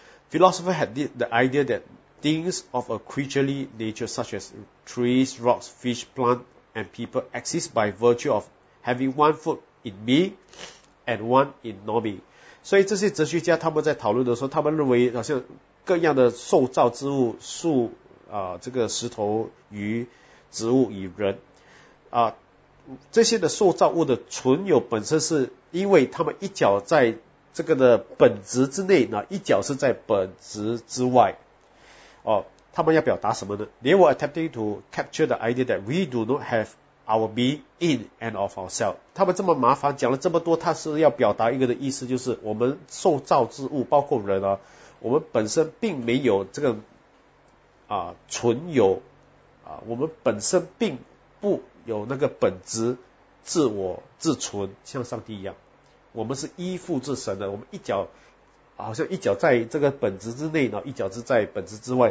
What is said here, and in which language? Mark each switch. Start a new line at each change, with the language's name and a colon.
English: Philosopher had the idea that things of a creaturely nature such as trees, rocks, fish, plants and people exist by virtue of having one foot in me and one in non-me.
Chinese: 所以这些哲学家他们在讨论的时候，他们认为好像各样的受造之物，树这个石头与植物与人这些的受造物的存有本身是因为他们一脚在这个的本质之内，那一脚是在本质之外。哦，他们要表达什么呢？
English: They were attempting to capture the idea that we do not have our being in and of ourselves.
Chinese: 他们这么麻烦讲了这么多，他是要表达一个的意思，就是我们受造之物包括人啊，我们本身并没有这个存有我们本身并不有那个本质自我自存，像上帝一样，我们是依附自神的，我们一脚好像一脚在这个本质之内，然后一脚是在本质之外。